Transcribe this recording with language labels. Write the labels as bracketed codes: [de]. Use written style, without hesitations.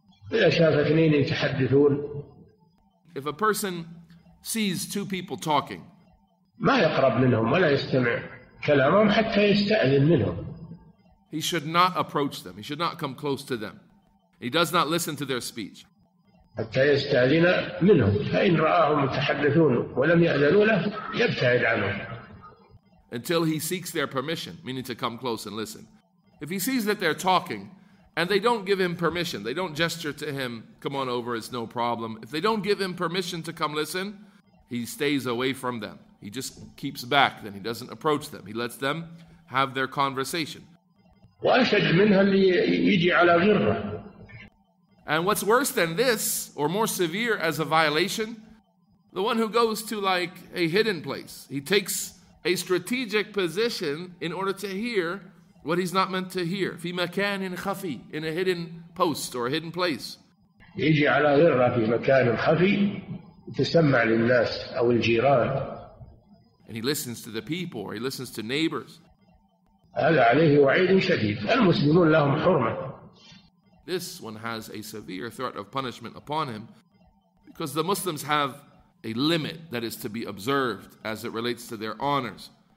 [en] If a person sees two people talking, he should not approach them. He should not come close to them. He does not listen to their speech. [ar] حتى يستأذن منهم فإن رآهم يتحدثون ولم يأذنوا له يبتعد عنهم [en] Until he seeks their permission, meaning to come close and listen. If he sees that they're talking and they don't give him permission, they don't gesture to him, come on over, it's no problem. If they don't give him permission to come listen, he stays away from them. He just keeps back, then he doesn't approach them. He lets them have their conversation. [ar] وأشد منها اللي يجي على غره [en] And what's worse than this, or more severe as a violation, the one who goes to like a hidden place. He takes a strategic position in order to hear what he's not meant to hear. [ar] في مكان خفي, [en] in a hidden post or a hidden place. [ar] يجي على غرة في مكان خفي, يتسمع للناس أو الجيران. [en] And he listens to the people, or he listens to neighbors. [ar] هذا عليه وعيد شديد. المسلمون لهم حرمة. [en] This one has a severe threat of punishment upon him because the Muslims have a limit that is to be observed as it relates to their honors.